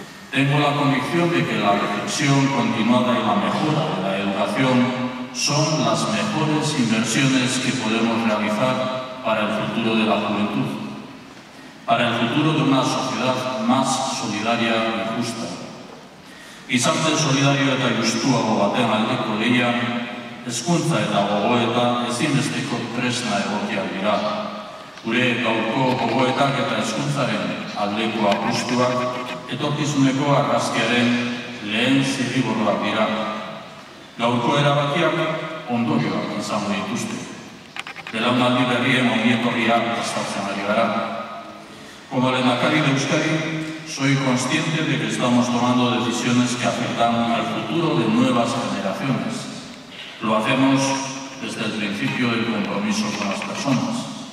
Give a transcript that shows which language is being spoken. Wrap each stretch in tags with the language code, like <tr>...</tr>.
<es>Tengo la convicción de que la reflexión continuada y la mejora de la educación son las mejores inversiones que podemos realizar para el futuro de la juventud, para el futuro de una sociedad más solidaria y justa.</es> <eu>Gizarte solidario eta justuago batean aldeko lehian, hezkuntza eta gogoeta ezinbesteko tresna egokiak dira. Gure gaurko gogoetak eta hezkuntzaren aldeko apustuak, etorkizuneko argazkiaren lehen zirriborroak dira. Gaurko erabakiak ondorioak izango dituzte. Belaunaldi berrien ongietorriak prestatzen ari gara.</eu> <es>Como lehendakari de Euskadi, soy consciente de que estamos tomando decisiones que afectan al futuro de nuevas generaciones. Lo hacemos desde el principio del compromiso con las personas.</es>